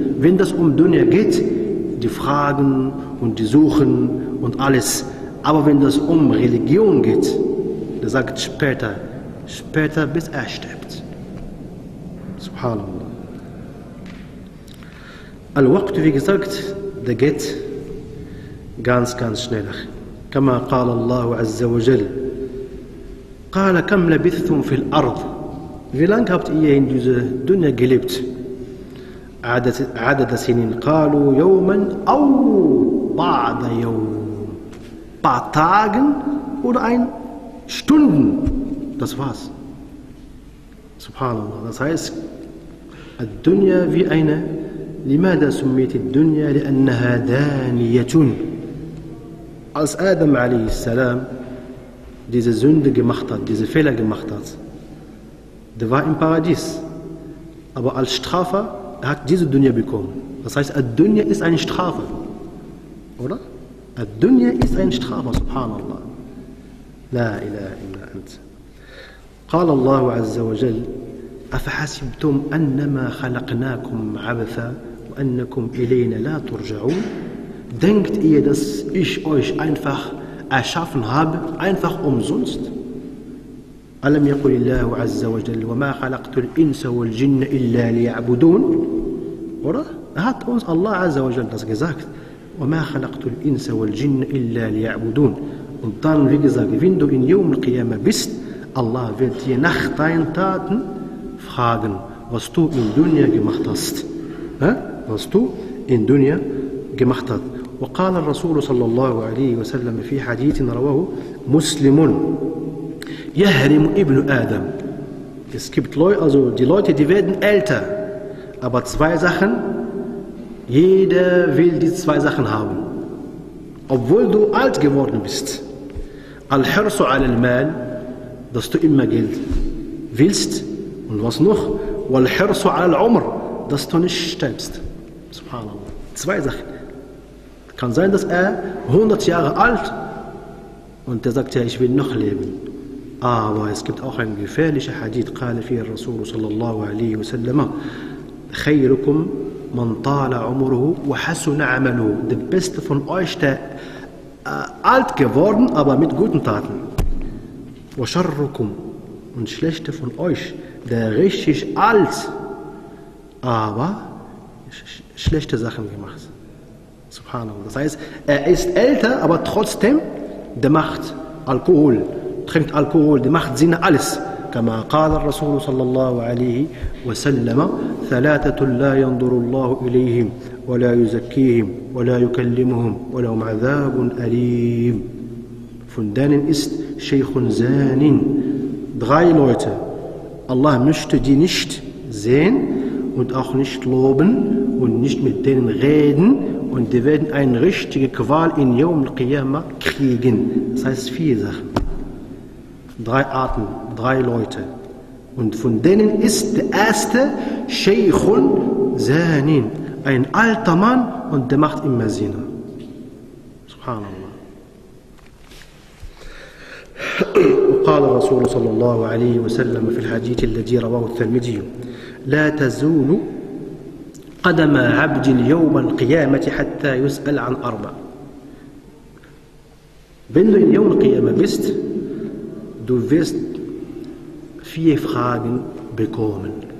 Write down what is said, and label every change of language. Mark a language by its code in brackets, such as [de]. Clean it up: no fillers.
[de] Wenn das um Dunya geht, die Fragen und die Suchen und alles. Aber wenn das um Religion geht, der sagt später, später bis er stirbt. Subhanallah. [ar] الوقت في [de] gesagt, der geht ganz ganz schnell. [ar] كما قال الله عز وجل قال كم لبثتم في الأرض. [de] Wie lange habt ihr in dieser Dunya gelebt? [ar] عدد سنين. قالوا يوما أو بعض يوم. [de] Paar Tagen oder ein Stunden. Das war's. Subhanallah. Das heißt, الدنيا wie eine. [ar] لماذا سميت الدنيا؟ لأنها دانية. [de] Als Adam عليه السلام diese Sünde gemacht hat, diese Fehler gemacht hat, der war im Paradies. Aber als Strafe hat diese Dunya bekommen. Das heißt, الدنيا ist eine Strafe. Oder? الدنيا ist eine Strafe, subhanallah. [ar] لا إله إلا أنت. قال الله عز وجل أفحسبتم أنما خلقناكم عبثا وأنكم إلينا لا ترجعون. [de] Denkt ihr, dass ich euch einfach erschaffen habe, einfach umsonst? [ar] ألم يقول الله عز وجل وما خلقت الإنس والجن إلا ليعبدون. [de] Oder? Hat uns Allah عز وجل das gesagt. [ar] وما خلقت الإنس والجن إلا ليعبدون. [de] Und dann, wie gesagt, wenn du in يوم القيامة bist, Allah wird dir nach deinen Taten fragen, was du in Dunya gemacht hast. Was du in Dunya gemacht hast. [ar] وقال الرسول صلى الله عليه وسلم في حديث رواه مسلم يهرم ابن آدم. [de] Es gibt Leute, also die Leute, die werden älter. Aber zwei Sachen, jeder will die zwei Sachen haben. Obwohl du alt geworden bist. [ar] الحرص على المال, [de] dass du immer Geld willst. Und was noch? [ar] والحرص على العمر, [de] dass du nicht stirbst. Subhanallah. Zwei Sachen. Kann sein, dass er 100 Jahre alt und er sagt, ja, ich will noch leben. Aber es gibt auch ein gefährlicher Hadith, [ar] قال فيه الرسول صلى الله عليه وسلم خيركم من طال عمره وحسن عمله. [en] The best [de] von euch, der alt geworden, aber mit guten Taten. [ar] وشركم, [de] und schlechte von euch, der richtig alt, aber schlechte Sachen gemacht. Subhanallah. Das heißt, er ist älter, aber trotzdem, der macht Alkohol, trinkt Alkohol, der macht Sinne, alles. [ar] كما قال الرسول صلى الله عليه وسلم ثلاثة لا ينظر الله إليهم ولا يزكيهم ولا يكلمهم ولهم عذاب أليم. [de] Von denen ist [ar] شيخ زان. [de] Drei Leute. Allah möchte die nicht sehen und auch nicht loben und nicht mit denen reden. Und die werden eine richtige Qual in Yawm al-Qiyamah kriegen. Das heißt vier Sachen. Drei Arten, drei Leute. Und von denen ist der erste Sheikhun Zanin. Ein alter Mann und der macht immer Sinne. Subhanallah. [ar] وقال الرسول صلى الله عليه وسلم في الحديث الذي رواه الترمذي لا تزول قدم عبد يوم القيامة حتى يسأل عن أربع. [de] Wenn du in يوم القيامة bist, du wirst vier Fragen bekommen.